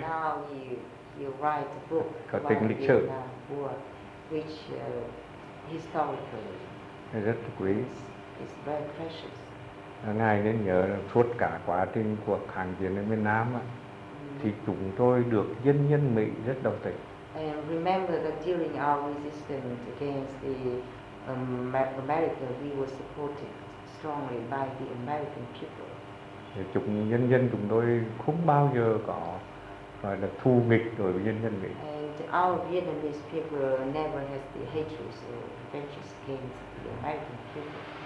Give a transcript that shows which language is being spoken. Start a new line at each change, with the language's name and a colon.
English: Now you write a book
Vietnamese: có tính lịch sử.
English: Which historically
Vietnamese: rất quý.
English: It's very precious.
Vietnamese: Ngài nên nhớ là suốt cả quá trình cuộc kháng chiến ở miền Nam á, thì chúng tôi được dân dân Mỹ rất đồng tình.
English: And remember that during our resistance against the America, we were supported strongly by the American people.
Vietnamese: Thì chúng dân dân chúng tôi không bao giờ có gọi là thù nghịch đối với dân dân Mỹ.
English: And our Vietnamese people never has the hatred or vengeance against the American people.